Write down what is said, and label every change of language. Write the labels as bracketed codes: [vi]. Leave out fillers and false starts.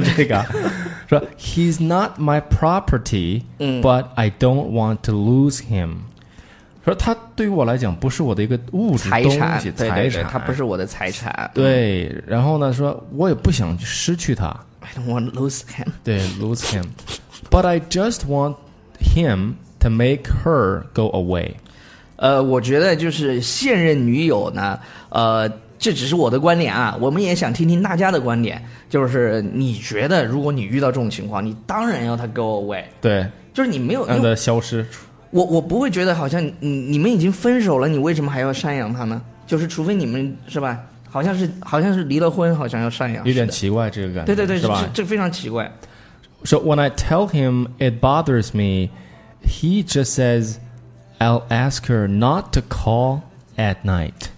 [en] 这个说 He's not my property、but I don't want to lose him。 [zh] 说他对于我来讲不是我的一个物质东西，财产， 对对对，他不是我的财产。对，然后呢说我也不想失去他。 [en] I don't want to lose him。对， lose him。 But I just want him to make her go away。 [zh] 我觉得就是现任女友呢，这只是我的观点啊，我们也想听听大家的观点。就是你觉得如果你遇到这种情况，你当然要他 [en] go away。 [zh] 对，就是你没有让他消失。我不会觉得好像你们已经分手了，你为什么还要赡养他呢？就是除非你们是吧，好像是离了婚好像要赡养，有点奇怪这个感觉。对对对，是吧？这非常奇怪。 [en] So when I tell him it bothers me, he just says I'll ask her not to call at night。